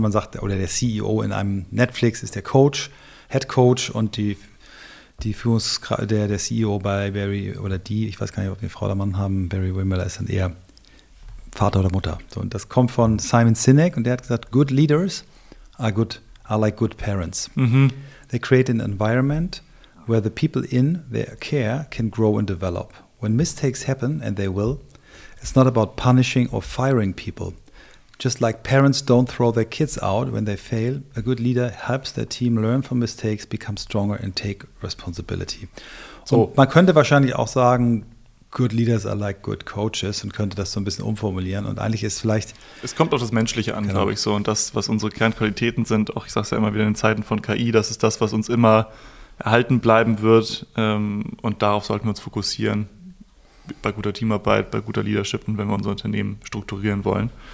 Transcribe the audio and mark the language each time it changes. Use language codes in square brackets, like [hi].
[de] Wenn man sagt, oder der CEO in einem Netflix ist der Coach, Head Coach und die Führungskraft, der CEO bei Barry oder die, ich weiß gar nicht, ob wir eine Frau oder Mann haben, Barry Wimmer ist dann eher Vater oder Mutter. So, und das kommt von Simon Sinek und der hat gesagt, [en] good leaders are like good parents. Mm-hmm. They create an environment where the people in their care can grow and develop. When mistakes happen, and they will, it's not about punishing or firing people. Just like parents don't throw their kids out when they fail, a good leader helps their team learn from mistakes, become stronger and take responsibility. [de] So, und man könnte wahrscheinlich auch sagen, [en] good leaders are like good coaches [de] und könnte das so ein bisschen umformulieren. Und eigentlich ist vielleicht... Es kommt auf das Menschliche an, Glaube ich, so. Und das, was unsere Kernqualitäten sind, auch ich sag's ja immer wieder in den Zeiten von KI, das ist das, was uns immer erhalten bleiben wird. Und darauf sollten wir uns fokussieren, bei guter Teamarbeit, bei guter Leadership und wenn wir unser Unternehmen strukturieren wollen.